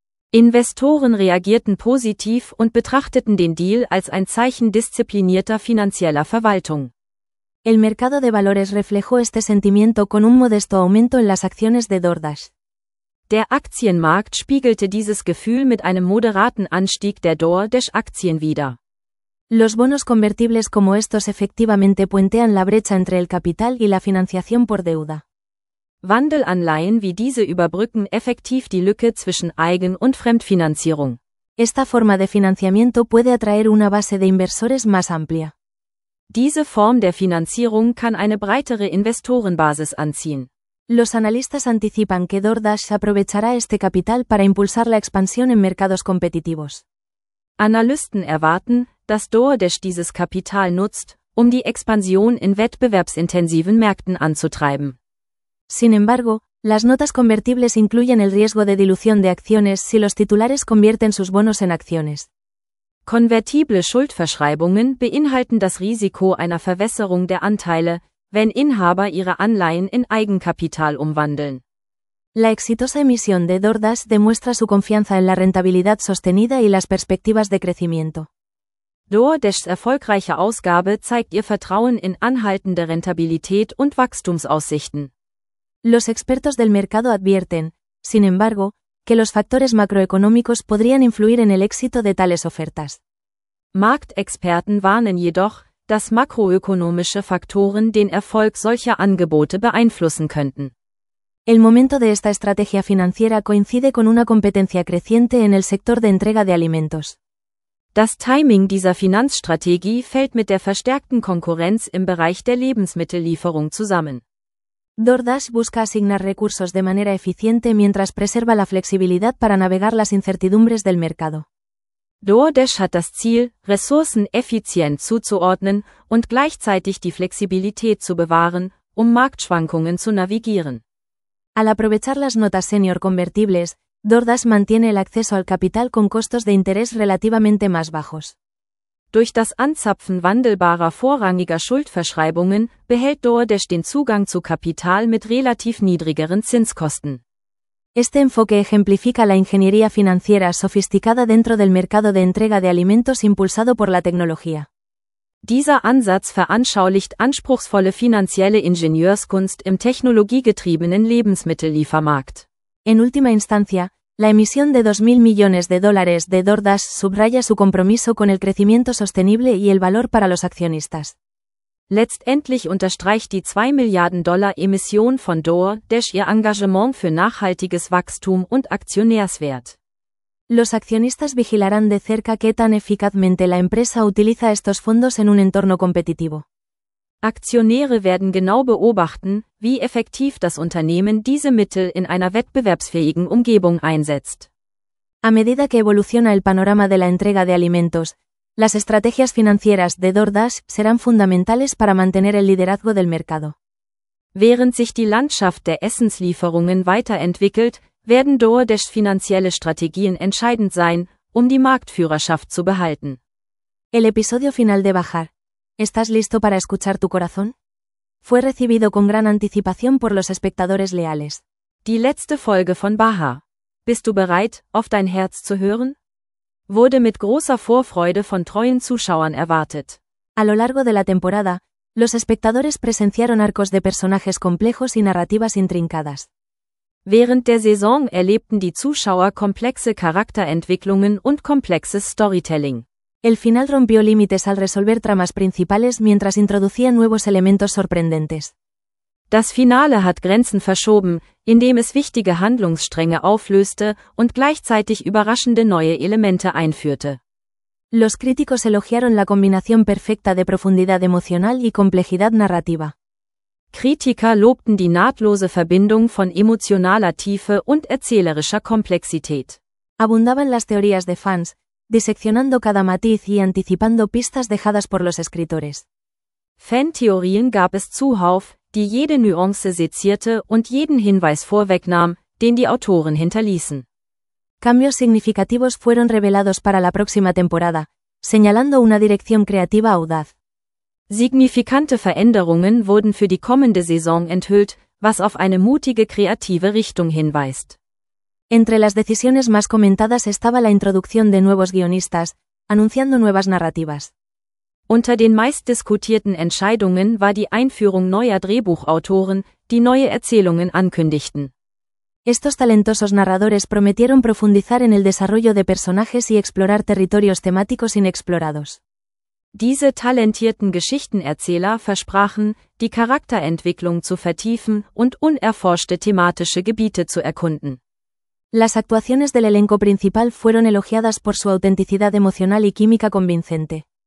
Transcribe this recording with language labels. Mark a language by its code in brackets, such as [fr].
[de] Investoren reagierten positiv und betrachteten den Deal als ein Zeichen disziplinierter finanzieller Verwaltung. [es] El mercado de valores reflejó este sentimiento con un modesto aumento en las acciones de DoorDash. [de] Der Aktienmarkt spiegelte dieses Gefühl mit einem moderaten Anstieg der DoorDash-Aktien wider. [es] Los bonos convertibles como estos efectivamente puentean la brecha entre el capital y la financiación por deuda. [de] Wandelanleihen wie diese überbrücken effektiv die Lücke zwischen Eigen- und Fremdfinanzierung. [es] Esta forma de financiamiento puede atraer una base de inversores más amplia. [de] Diese Form der Finanzierung kann eine breitere Investorenbasis anziehen. [es] Los analistas anticipan que DoorDash aprovechará este capital para impulsar la expansión en mercados competitivos. [de] Analysten erwarten, dass DoorDash dieses Kapital nutzt, um die Expansion in wettbewerbsintensiven Märkten anzutreiben. [es] Sin embargo, las notas convertibles incluyen el riesgo de dilución de acciones si los titulares convierten sus bonos en acciones. [de] Konvertible Schuldverschreibungen beinhalten das Risiko einer Verwässerung der Anteile, wenn Inhaber ihre Anleihen in Eigenkapital umwandeln. [es] La exitosa emisión de DoorDash demuestra su confianza en la rentabilidad sostenida y las perspectivas de crecimiento. [de] DoorDashs erfolgreiche Ausgabe zeigt ihr Vertrauen in anhaltende Rentabilität und Wachstumsaussichten. [es] Los expertos del mercado advierten, sin embargo, que los factores macroeconómicos podrían influir en el éxito de tales ofertas. [de] Marktexperten warnen jedoch, dass makroökonomische Faktoren den Erfolg solcher Angebote beeinflussen könnten. [es] El momento de esta estrategia financiera coincide con una competencia creciente en el sector de entrega de alimentos. [de] Das Timing dieser Finanzstrategie fällt mit der verstärkten Konkurrenz im Bereich der Lebensmittellieferung zusammen. [es] DoorDash busca asignar recursos de manera eficiente mientras preserva la flexibilidad para navegar las incertidumbres del mercado. [de] DoorDash hat das Ziel, Ressourcen effizient zuzuordnen und gleichzeitig die Flexibilität zu bewahren, um Marktschwankungen zu navigieren. [es] Al aprovechar las notas senior convertibles, DoorDash mantiene el acceso al capital con costos de interés relativamente más bajos. [de] Durch das Anzapfen wandelbarer vorrangiger Schuldverschreibungen behält DoorDash den Zugang zu Kapital mit relativ niedrigeren Zinskosten. [es] Este enfoque ejemplifica la ingeniería financiera sofisticada dentro del mercado de entrega de alimentos impulsado por la tecnología. [de] Dieser Ansatz veranschaulicht anspruchsvolle finanzielle Ingenieurskunst im technologiegetriebenen Lebensmitteliefermarkt. [es] En última instancia, la emisión de 2.000 millones de dólares de DoorDash subraya su compromiso con el crecimiento sostenible y el valor para los accionistas. [de] Letztendlich unterstreicht die 2 Milliarden Dollar Emission von DoorDash ihr Engagement für nachhaltiges Wachstum und Aktionärswert. [es] Los accionistas vigilarán de cerca qué tan eficazmente la empresa utiliza estos fondos en un entorno competitivo. [de] Aktionäre werden genau beobachten, wie effektiv das Unternehmen diese Mittel in einer wettbewerbsfähigen Umgebung einsetzt. [es] A medida que evoluciona el panorama de la entrega de alimentos, las estrategias financieras de DoorDash serán fundamentales para mantener el liderazgo del mercado. [de] Während sich die Landschaft der Essenslieferungen weiterentwickelt, werden DoorDashs finanzielle Strategien entscheidend sein, um die Marktführerschaft zu behalten. [es] El episodio final de Bajar. ¿Estás listo para escuchar tu corazón? Fue recibido con gran anticipación por los espectadores leales. [de] Die letzte Folge von Bajar. Bist du bereit, auf dein Herz zu hören? Wurde mit großer Vorfreude von treuen Zuschauern erwartet. [es] A lo largo de la temporada, los espectadores presenciaron arcos de personajes complejos y narrativas intrincadas. [de] Während der Saison erlebten die Zuschauer komplexe Charakterentwicklungen und komplexes Storytelling. [es] El final rompió límites al resolver tramas principales mientras introducía nuevos elementos sorprendentes. [de] Das Finale hat Grenzen verschoben, indem es wichtige Handlungsstränge auflöste und gleichzeitig überraschende neue Elemente einführte. [es] Los críticos elogiaron la combinación perfecta de profundidad emocional y complejidad narrativa. [de] Kritiker lobten die nahtlose Verbindung von emotionaler Tiefe und erzählerischer Komplexität. [es] Abundaban las teorías de fans, diseccionando cada matiz y anticipando pistas dejadas por los escritores. [de] Fan-Theorien gab es zuhauf, die jede Nuance sezierte und jeden Hinweis vorwegnahm, den die Autoren hinterließen. [es] Cambios significativos fueron revelados para la próxima temporada, señalando una dirección creativa audaz. [de] Signifikante Veränderungen wurden für die kommende Saison enthüllt, was auf eine mutige kreative Richtung hinweist. [es] Entre las decisiones más comentadas estaba la introducción de nuevos guionistas, anunciando nuevas narrativas. [de] Unter den meistdiskutierten Entscheidungen war die Einführung neuer Drehbuchautoren, die neue Erzählungen ankündigten. [es] Estos talentosos narradores prometieron profundizar en el desarrollo de personajes y explorar territorios temáticos inexplorados. [de] Diese talentierten Geschichtenerzähler versprachen, die Charakterentwicklung zu vertiefen und unerforschte thematische Gebiete zu erkunden. [es] Las actuaciones del elenco principal fueron elogiadas por su autenticidad emocional y química convincente.